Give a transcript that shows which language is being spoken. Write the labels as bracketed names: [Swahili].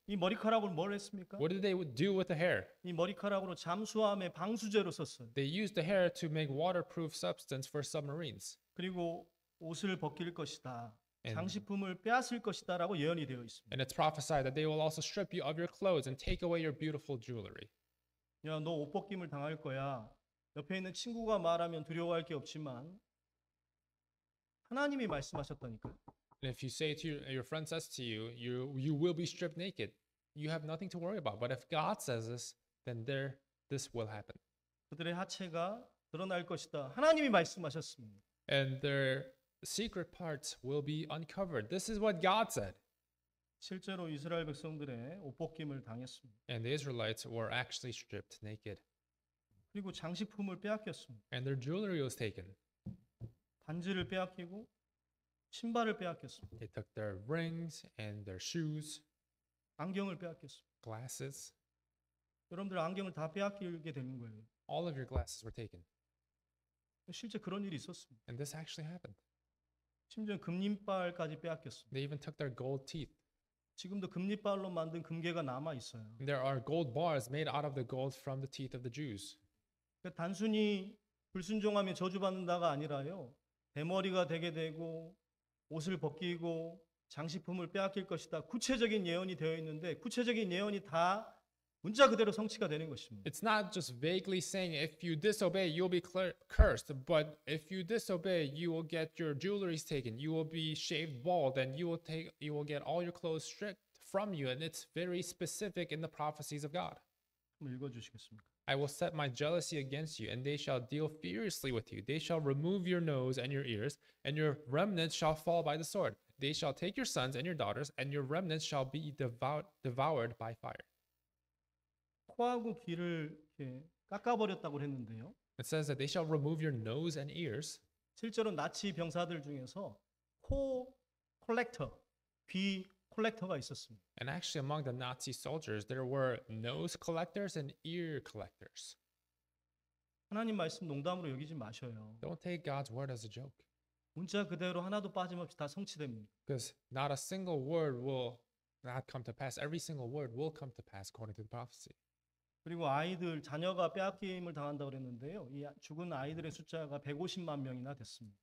[Korean] 이 머리카락을 뭘 했습니까? [English] What did they do with the hair? [Korean] 이 머리카락으로 잠수함의 방수제로 썼어요. [English] They used the hair to make waterproof substance for submarines. [Korean] 그리고 옷을 벗길 것이다. 장식품을 빼앗을 것이다라고 예언이 되어 있습니다. [English] And it's prophesied that they will also strip you of your clothes and take away your beautiful jewelry. [Korean] 야, 너 옷 벗김을 당할 거야. 옆에 있는 친구가 말하면 두려워할 게 없지만 하나님이 말씀하셨다니까. [English] And if you say to your friend says to you, you will be stripped naked. You have nothing to worry about. But if God says this, then there this will happen. [Korean] 그들의 하체가 드러날 것이다. 하나님이 말씀하셨습니다. [English] And their secret parts will be uncovered. This is what God said. [Korean] 실제로 이스라엘 백성들의 옷 벗김을 당했습니다. [English] And the Israelites were actually stripped naked. [Korean] 그리고 장식품을 빼앗겼습니다. [English] And their jewelry was taken. [Korean] 반지를 빼앗기고 신발을 빼앗겼습니다. [English] They took their rings and their shoes. [Korean] 안경을 빼앗겼습니다. [English] Glasses. [Korean] 여러분들 안경을 다 빼앗기게 되는 거예요. [English] All of your glasses were taken. [Korean] 실제 그런 일이 있었습니다. [English] And this actually happened. [Korean] 심지어 금니빨까지 빼앗겼습니다. [English] They even took their gold teeth. [Korean] 지금도 금니빨로 만든 금괴가 남아 있어요. [English] And there are gold bars made out of the gold from the teeth of the Jews. [Korean] 그러니까 단순히 불순종하면 저주받는다가 아니라요. 대머리가 되게 되고 옷을 벗기고 장식품을 빼앗길 것이다. 구체적인 예언이 되어 있는데 구체적인 예언이 다 문자 그대로 성취가 되는 것입니다. [English] It's not just vaguely saying if you disobey you'll be cursed, but if you disobey you will get your jewelry taken, you will be shaved bald, and you will get all your clothes stripped from you, and it's very specific in the prophecies of God. [Korean] 한번 읽어 주시겠습니까? [English] I will set my jealousy against you, and they shall deal furiously with you. They shall remove your nose and your ears, and your remnants shall fall by the sword. They shall take your sons and your daughters, and your remnants shall be devoured by fire. [Korean] 코하고 귀를 이렇게 깎아버렸다고 했는데요. [English] It says that they shall remove your nose and ears. [Korean] 실제로 나치 병사들 중에서 코 콜렉터, 귀 콜렉터가 있었습니다. [English] And actually among the Nazi soldiers, there were nose collectors and ear collectors. [Korean] 하나님 말씀 농담으로 여기지 마셔요. [English] Don't take God's word as a joke. [Korean] 문자 그대로 하나도 빠짐없이 다 성취됩니다. [English] Because not a single word will not come to pass. Every single word will come to pass according to the prophecy. [Korean] 그리고 아이들, 자녀가 빼앗김을 당한다고 그랬는데요. 이 죽은 아이들의 숫자가 150만 명이나 됐습니다.